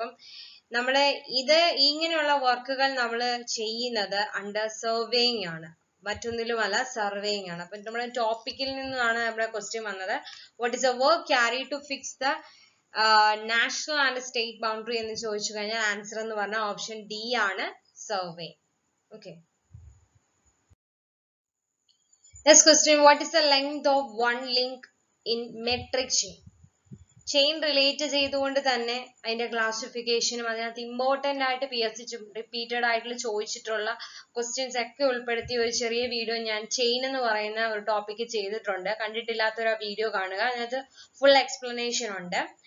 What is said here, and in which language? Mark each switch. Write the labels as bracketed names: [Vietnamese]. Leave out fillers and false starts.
[Malayalam] അപ്പം നമ്മളെ ഇത് ഇങ്ങനെയുള്ള വർക്കുകൾ നമ്മൾ ചെയ്യുന്നത് അണ്ടർ സർവേയിങ് ആണ്, മറ്റൊന്നിലും അല്ല, സർവേയിങ് ആണ്. അപ്പം നമ്മുടെ ടോപ്പിക്കിൽ നിന്നാണ് നമ്മുടെ ക്വസ്റ്റ്യൻ വന്നത്. [English] what is a work carry to fix the national and state boundary [Malayalam] എന്ന് ചോദിച്ചു കഴിഞ്ഞാൽ ആൻസർ എന്ന് പറഞ്ഞാൽ ഓപ്ഷൻ ഡി ആണ്, survey. [English] Okay, next question, what is the length of one link in metric chain? [Malayalam] Chain relate ചെയ്തുകൊണ്ട് തന്നെ അതിന്റെ ക്ലാസിഫിക്കേഷനും അതിനകത്ത് ഇമ്പോർട്ടൻ്റ് ആയിട്ട് പിഎസ്സി റിപ്പീറ്റഡ് ആയിട്ടുള്ള ചോദിച്ചിട്ടുള്ള ക്വസ്റ്റ്യൻസ് ഒക്കെ ഉൾപ്പെടുത്തി ഒരു ചെറിയ വീഡിയോ ഞാൻ ചെയിൻ എന്ന് പറയുന്ന ഒരു ടോപ്പിക് ചെയ്തിട്ടുണ്ട്. കണ്ടിട്ടില്ലാത്തൊരു വീഡിയോ കാണുക, അതിനകത്ത് ഫുൾ എക്സ്പ്ലനേഷൻ ഉണ്ട്.